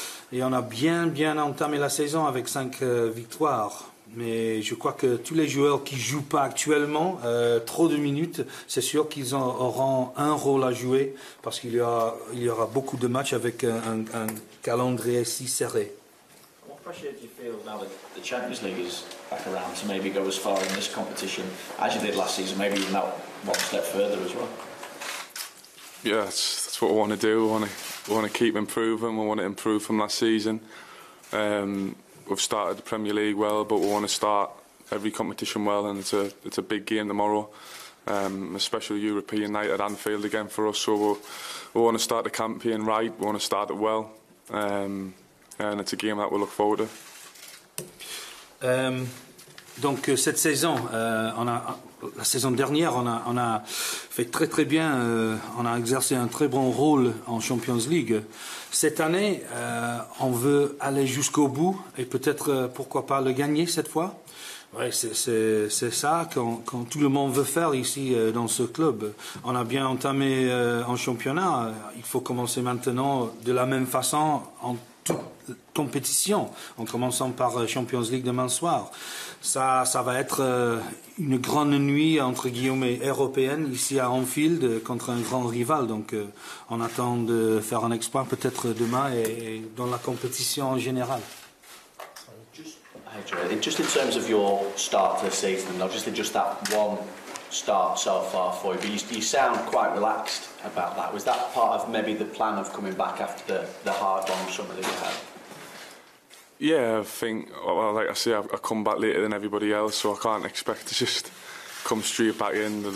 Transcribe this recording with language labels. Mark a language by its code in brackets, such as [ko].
[fr] Et on a bien entamé la saison avec 5 victoires. Mais je crois que tous les joueurs qui jouent pas actuellement trop de minutes, c'est sûr qu'ils auront un rôle à jouer parce qu'il y aura beaucoup de matchs avec un calendrier si serré. [en] What pressure do you feel now that the Champions League is back around to maybe go as far in this competition as you did last season, maybe even one step further as well? Yeah, that's what we want to do. We want to keep improving. We want to improve from last season. We've started the Premier League well, but we want to start every competition well, and it's a big game tomorrow, a special European night at Anfield again for us. So we want to start the campaign right. We want to start it well, and it's a game that we look forward to. [fr] Donc cette saison, la saison dernière, on a fait très très bien, on a exercé un très bon rôle en Champions League. Cette année, on veut aller jusqu'au bout et peut-être, pourquoi pas, le gagner cette fois. Oui, c'est ça qu'on tout le monde veut faire ici dans ce club. On a bien entamé en championnat, il faut commencer maintenant de la même façon en toute compétition, en commençant par Champions League demain soir. Ça va être une grande nuit, entre guillemets, européenne, ici à Anfield, contre un grand rival. Donc, on attend de faire un exploit, peut-être demain, et dans la compétition en général. [en] Just in terms of your start to the season, obviously just that one start so far for you, but you sound quite relaxed about that. Was that part of maybe the plan of coming back after the hard, long summer that you had? Yeah, I think, well, like I say, I come back later than everybody else, so I can't expect to just come straight back in.